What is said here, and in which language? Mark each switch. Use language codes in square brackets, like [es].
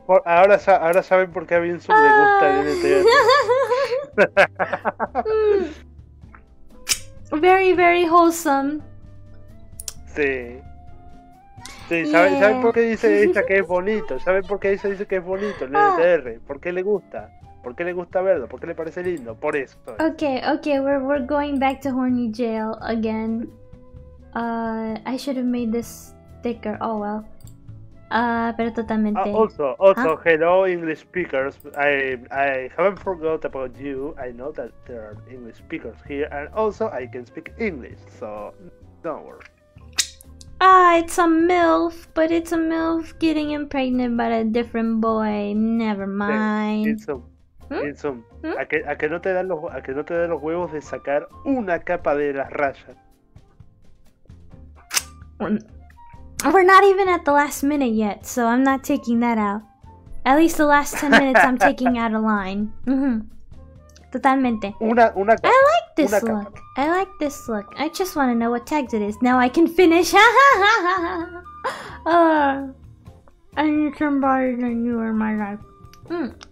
[es] Ahora saben por qué a Vincent le gusta el NTR. [en] Very, very wholesome. [es] Sí. Sí, ¿saben, [en] yeah. [es] ¿Saben por qué dice que es bonito? ¿Saben por qué dice que es bonito el NTR? ¿Por qué le gusta? ¿Por qué le gusta verlo? ¿Por qué le parece lindo? Por eso. [en] Okay, we're going back to horny jail again. I should have made this thicker. Oh well. [es] Pero totalmente. [en] Also, huh? Hello English speakers. I haven't forgot about you. I know that there are English speakers here, and also I can speak English, so don't worry. Ah, it's a MILF, but it's a MILF getting impregnated by a different boy. Never mind. Insum. [es] A que no te dan los huevos de sacar una capa de las rayas. [en] We're not even at the last minute yet, so I'm not taking that out. At least the last 10 minutes I'm taking out a line. [es] Totalmente. Una [en] I like this una look. Capa. I like this look. I just want to know what tags it is. Now I can finish. I need somebody that knew in my life.